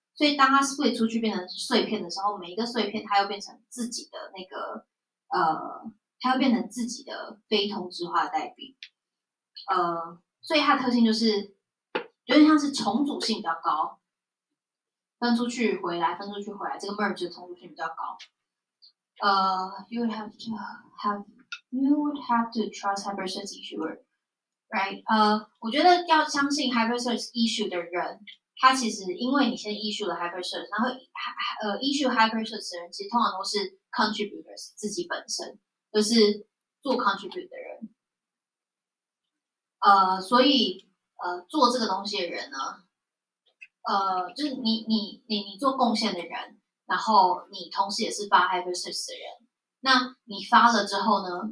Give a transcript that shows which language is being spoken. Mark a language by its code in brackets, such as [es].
[zh] 所以当它 split 出去变成碎片的时候，每一个碎片它又变成自己的那个它又变成自己的非同质化的代币。所以它的特性就是有点像是重组性比较高。分出去回来，分出去回来，这个 merge 的重组性比较高。 [en] You would have to trust Hypershares issuer, right? [zh] 我觉得要相信 Hypershares issue 的人，他其实因为你先 issue 了 Hypershares， 然后issue Hypershares 的人其实通常都是 contributors 自己本身，就是做 contribute 的人。所以做这个东西的人呢？就是你做贡献的人，然后你同时也是发 Hypershares 的人，那你发了之后呢？